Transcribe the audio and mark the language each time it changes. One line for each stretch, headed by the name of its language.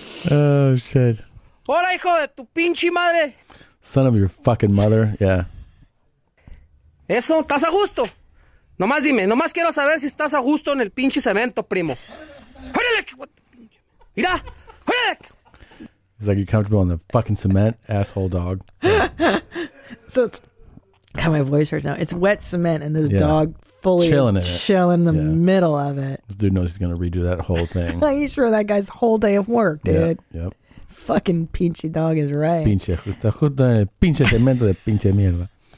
English: Oh, shit.
Spanish: Hola, hijo de tu pinche madre.
English: Son of your fucking mother, yeah.
Spanish: Eso, ¿estás a gusto? Nomás dime, nomás quiero saber si estás a gusto en el pinche cemento, primo. Mira, hola.
English: He's like, you're comfortable on the fucking cement, asshole dog. Yeah. So it's, God, my voice hurts now. It's wet cement and the dog fully chilling is chilling the middle of it. This dude knows he's going to redo that whole thing. He's ruined that guy's whole day of work, dude. Yep. Fucking pinche dog is right.
Spanish: Pinche, está justo en el pinche cemento de pinche mierda.